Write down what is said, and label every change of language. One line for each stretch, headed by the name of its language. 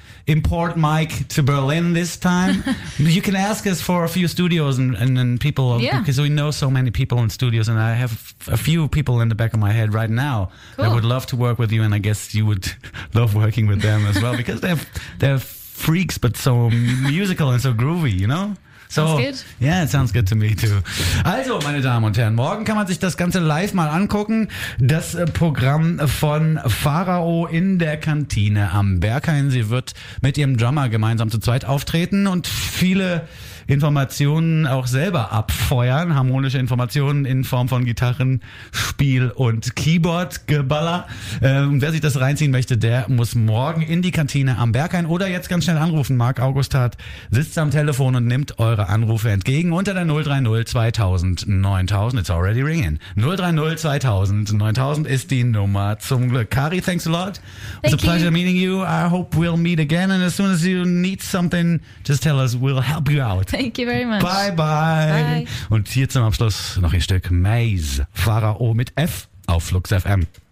English: import Mike to Berlin this time. You can ask us for a few studios and people, yeah, because we know so many people in studios, and I have a few people in the back of my head right now, cool, that would love to work with you, and I guess you would love working with them as well, because they're freaks, but so musical and so groovy, you know? So, sounds good. Yeah, it sounds good to me too.
German: Also, meine Damen und Herren, morgen kann man sich das Ganze live mal angucken. Das Programm von Pharao in der Kantine am Berghain. Sie wird mit ihrem Drummer gemeinsam zu zweit auftreten und viele Informationen auch selber abfeuern. Harmonische Informationen in Form von Gitarren, Spiel und Keyboard-Geballer. Wer sich das reinziehen möchte, der muss morgen in die Kantine am Berghain oder jetzt ganz schnell anrufen. Marc Augustat sitzt am Telefon und nimmt eure Anrufe entgegen unter der 030 2000 9000.
English: It's already ringing.
German: 030 2000 9000 ist die Nummer zum Glück.
English: Kari, thanks a lot. It's a pleasure meeting you. I hope we'll meet again, and as soon as you need something, just tell us, we'll help you out. Thank you very much. Bye, bye. Bye.
German: Und hier zum Abschluss noch ihr Stück Maze. Pharao mit F auf Flux FM.